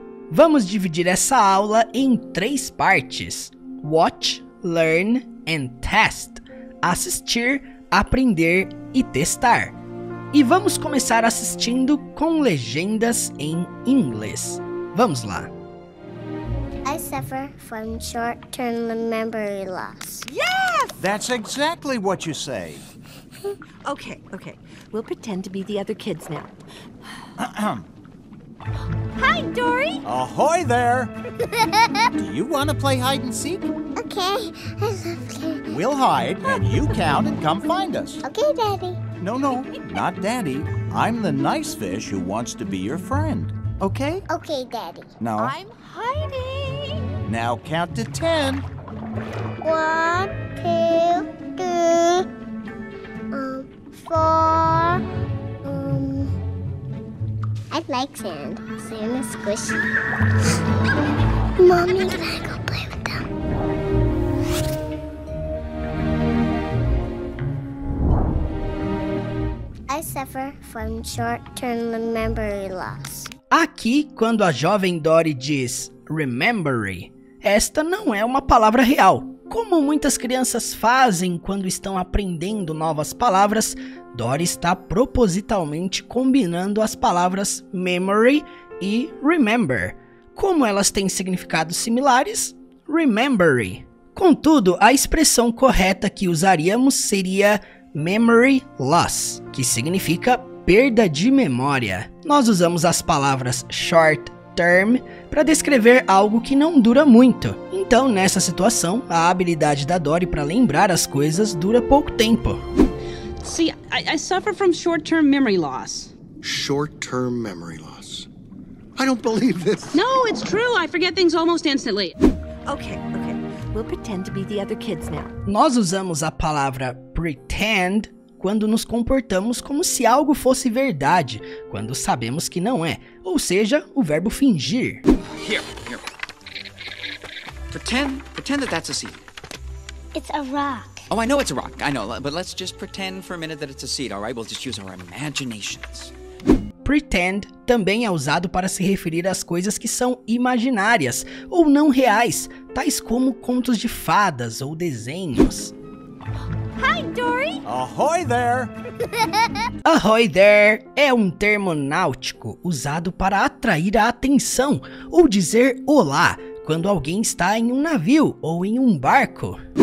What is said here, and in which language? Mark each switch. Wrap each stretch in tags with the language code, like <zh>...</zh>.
<pt>Vamos dividir essa aula em três partes:</pt> <en>Watch, Learn and Test.</en> <pt>Assistir, aprender e testar. E vamos começar assistindo com legendas em inglês. Vamos lá!</pt> <en>I suffer from short-term memory loss. Yes! That's exactly what you say. Okay. We'll pretend to be the other kids now. Hi, Dory! Ahoy there! Do you want to play hide and seek? Okay. We'll hide, and you count and come find us. Okay, Daddy. No, not Daddy. I'm the nice fish who wants to be your friend. Okay? Okay, Daddy. No. I'm hiding! Now count to 10. 1, 2, 3. 4. I like sand. Sand is squishy. Mommy, can I go play with them? I suffer from short-term memory loss.</en> <pt>Aqui, quando a jovem Dory diz remembery, esta não é uma palavra real. Como muitas crianças fazem quando estão aprendendo novas palavras, Dory está propositalmente combinando as palavras memory e remember. Como elas têm significados similares? Remembery. Contudo, a expressão correta que usaríamos seria memory loss, que significa perda de memória. Nós usamos as palavras short term para descrever algo que não dura muito. Então, nessa situação, a habilidade da Dory para lembrar as coisas dura pouco tempo.</pt> <en>See, I suffer from short-term memory loss. Short-term memory loss. I don't believe this. No, it's true. I forget things almost instantly. Okay. We'll pretend to be the other kids now.</en> <pt>Nós usamos a palavra pretend quando nos comportamos como se algo fosse verdade, quando sabemos que não é, ou seja, o verbo fingir.</pt> <en>Here. Pretend that that's a seed. It's a rock. Oh, I know it's a rock. I know, but let's just pretend for a minute that it's a seed, all right? We'll just use our imaginations.</en> <pt>Pretend também é usado para se referir às coisas que são imaginárias ou não reais, tais como contos de fadas ou desenhos.</pt> <en>Hi, Dory! Ahoy there!</en> <pt>Ahoy there é um termo náutico usado para atrair a atenção ou dizer olá quando alguém está em um navio ou em um barco.</pt>